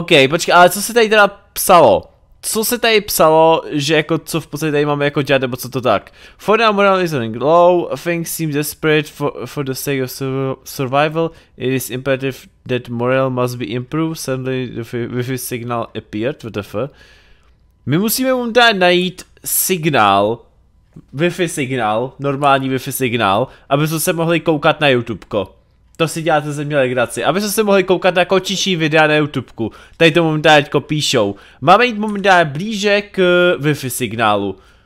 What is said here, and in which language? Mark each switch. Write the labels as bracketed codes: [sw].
[cs] Počkej, ale co se tady teda psalo? Co se tady psalo, že jako co v podstatě tady máme jako dělat, nebo co to tak? [en] For now morale is running low, things seem desperate for the sake of survival, it is imperative that morale must be improved, suddenly with his signal appeared, WTF. [cs] My musíme mu teda najít signál, Wi-Fi signál, normální Wi-Fi signál, aby jsme se mohli koukat na YouTubeko. To si děláte ze mě legraci. Abyste se mohli koukat na kočičí videa na YouTubeku. Tady to momentálně teďko píšou. Máme jít momentálně blíže k Wi-Fi signálu.